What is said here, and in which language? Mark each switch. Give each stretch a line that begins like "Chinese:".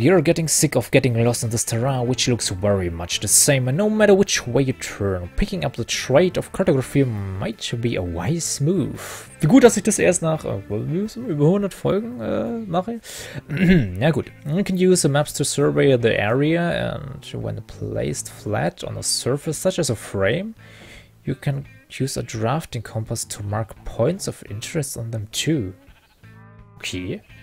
English: You're getting sick of getting lost in this terrain, which looks very much the same, and no matter which way you turn, picking up the trait of cartography might be a wise move.
German: Wie gut, dass ich das erst nach über 100 Folgen mache. Ja gut.
English: You can use the maps to survey the area, and when placed flat on a surface such as a frame, you can use a drafting compass to mark points of interest on them too. Okay.